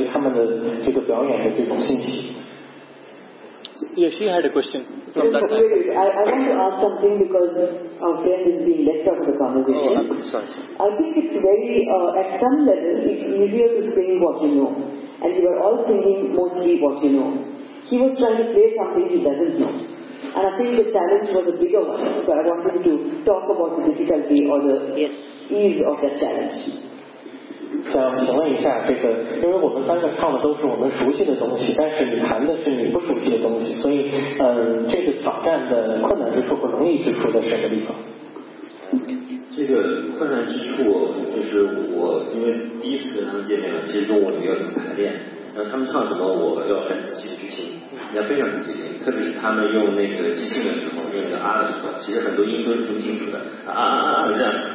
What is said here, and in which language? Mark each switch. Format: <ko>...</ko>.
<zh>这个没有什么一定之规，每个人的从刚才我们的表演可以看到，每一个人的运动的那个方式和方向都是不同的，所以这是一个完全根据直觉来进行的运动。有的人可能动的幅度大，有的人可能动的幅度更大，那只是随他们的这个表演的这种信息。</zh> <en>Yes, she had a question. I want to ask something because our friend is being left out of the conversation. Oh, sorry. I think it's very, at some level, it's easier to sing what you know. And you are all singing mostly what you know. He was trying to play something he doesn't know. And I think the challenge was a bigger one. So I wanted to talk about the difficulty or the ease of that challenge.</en> <zh>想请问一下，这个，因为我们三个唱的都是我们熟悉的东西，但是你弹的是你不熟悉的东西，所以，这个挑战的困难之处和容易之处在什么地方？这个困难之处，就是我因为第一次跟他们见面，其实中午你要怎么排练，然后他们唱什么，我要很仔细的去听，你要非常仔细听，特别是他们用那个即兴的时候，用那个啊的时候，其实很多音都听清楚的，啊啊啊啊这样。</zh>